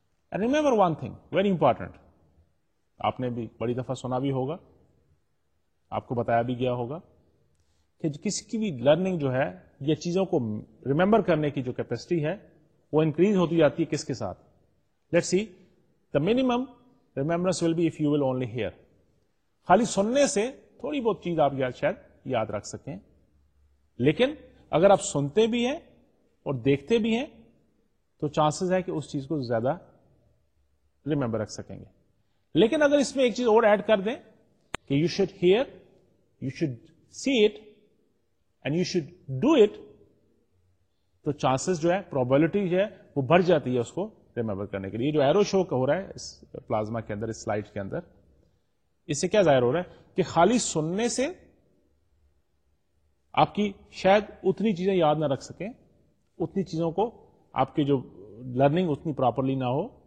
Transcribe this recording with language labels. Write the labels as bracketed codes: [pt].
[en] and remember one thing very important, [ur] آپ نے بھی بڑی دفعہ سنا بھی ہوگا, آپ کو بتایا بھی گیا ہوگا کہ کسی کی بھی لرننگ جو ہے, یہ چیزوں کو ریمبر کرنے کی جو کیپیسٹی ہے وہ انکریز ہوتی جاتی ہے کس کے ساتھ. [en] Let see the minimum remembrance will be if you will only hear. [ur] خالی سننے سے تھوڑی بہت چیز آپ شاید یاد رکھ سکیں, لیکن اگر آپ سنتے بھی ہیں اور دیکھتے بھی ہیں تو چانسز ہے کہ اس چیز کو زیادہ ریمبر رکھ سکیں گے. لیکن اگر اس میں ایک چیز اور ایڈ کر دیں کہ [en] you should hear, you should see it and you should do it, [ur] تو چانسز جو ہے, پروبیبلٹی جو ہے وہ بڑھ جاتی ہے اس کو ریمبر کرنے کے لیے. جو ایرو شو ہو رہا ہے اس پلازما کے اندر, اس سلائڈ کے اندر, اس سے کیا ظاہر ہو رہا ہے کہ خالی سننے سے آپ کی شاید اتنی چیزیں یاد نہ رکھ سکیں, اتنی چیزوں کو آپ کے جو لرننگ اتنی پراپرلی نہ ہو.